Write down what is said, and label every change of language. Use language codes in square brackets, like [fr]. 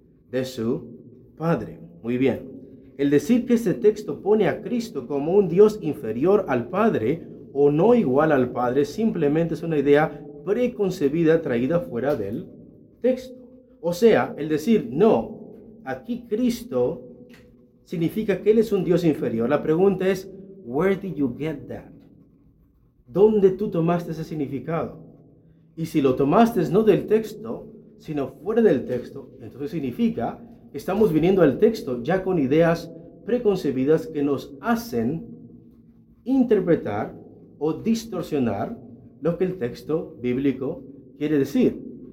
[es] De su Padre. Muy bien. El decir que este texto pone a Cristo como un Dios inferior al Padre o no igual al Padre simplemente es una idea preconcebida traída fuera del texto. O sea, el decir no, aquí Cristo significa que Él es un Dios inferior. La pregunta es, [en] where did you get that? [es] ¿Dónde tú tomaste ese significado? Y si lo tomaste no del texto, sino fuera del texto, entonces significa que estamos viniendo al texto ya con ideas preconcebidas que nos hacen interpretar o distorsionar lo que el texto bíblico quiere decir.